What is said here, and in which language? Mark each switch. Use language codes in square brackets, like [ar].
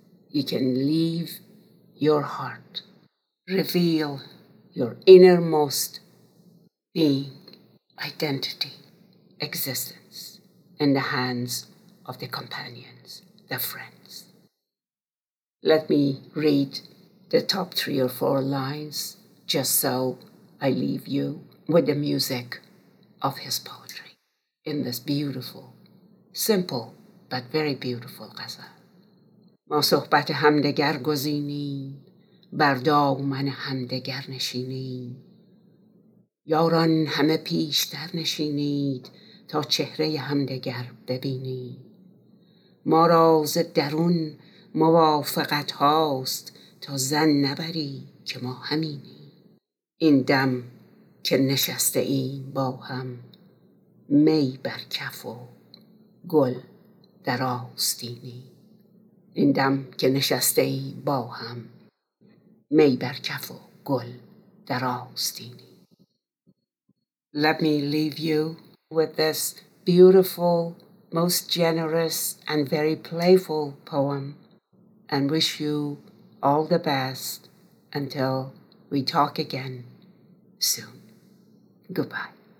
[en] You can leave your heart, reveal your innermost being, identity, existence, in the hands of the companions, the friends. Let me read the top three or four lines, just so I leave you with the music of his poetry in this beautiful, simple, but very beautiful ghazal. [fa] ما صحبت همدگر گزینیم، بر دامن همدگر نشینیم. یاران همه پیشتر نشینید تا چهره همدگر ببینیم. ما راز درون موافقت هاست تا زن نبری که ما همینیم. این دم که نشسته ایم با هم، می بر کف و گل در آستینی. این دم که نشسته ایم با هم، می بر کف و گل در آستینی. [en] Let me leave you with this beautiful, most generous and very playful poem and wish you all the best until we talk again soon. Goodbye.